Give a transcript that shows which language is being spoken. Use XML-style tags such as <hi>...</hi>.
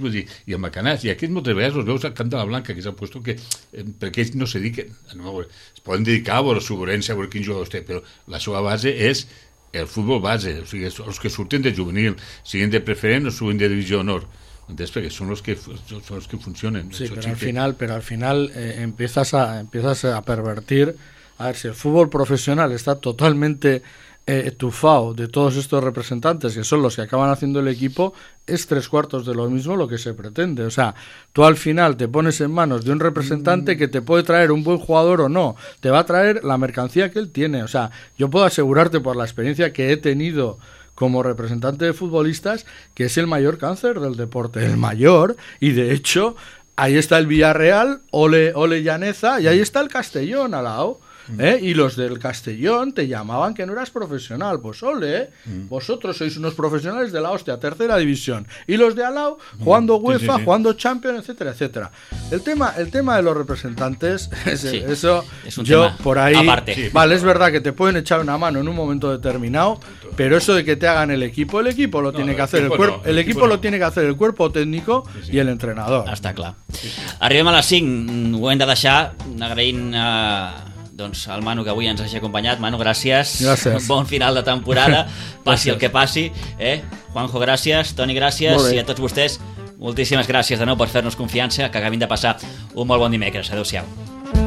<ca>Vull dir, i amb Macanàs, i aquests moltes vegades els veus al camp de la Blanca, que s'ha posat que perquè ells no se diuen, es poden dedicar a veure Sugerència, a veure quin jugador té, però la seva base és el futbol base, o sigui, els que surten de juvenil, siguin de preferent o siguin de divisió honor. Entens? Perquè són els que funcionen.</ca> <es>Sí,</es> <ca>però</ca> <es>al final empiezas a pervertir.</es> <ca>A veure, si el futbol professional està</ca> <es>totalmente estufado de todos estos representantes que son los que acaban haciendo el equipo, es tres cuartos de lo mismo lo que se pretende. O sea, tú al final te pones en manos de un representante que te puede traer un buen jugador o no, te va a traer la mercancía que él tiene. O sea, yo puedo asegurarte por la experiencia que he tenido como representante de futbolistas que es el mayor cáncer del deporte, el mayor, y de hecho ahí está el Villarreal, ole Llaneza, y ahí está el Castellón al lado. Y los del Castellón te llamaban que no eras profesional. Pues ole, vosotros sois unos profesionales de la hostia, tercera división. Y los de Alao, jugando UEFA, sí. Jugando Champions, etcétera, etcétera. El tema de los representantes, es un tema por ahí, aparte. Vale, es verdad que te pueden echar una mano en un momento determinado, pero eso de que te hagan el equipo lo tiene que hacer el cuerpo. Lo tiene que hacer el cuerpo técnico, sí, sí. Y el entrenador. Está claro.</es> <ca>Arribem a les 5, ho hem de deixar, agraint a... doncs el Manu, que avui ens hagi acompanyat. Manu, gràcies. Gràcies. Bon final de temporada. Passi el que passi. Juanjo, gràcies. Toni, gràcies. I a tots vostès, moltíssimes gràcies de nou per fer-nos confiança, que acabin de passar un molt bon dimecres. Adéu-siau.</ca>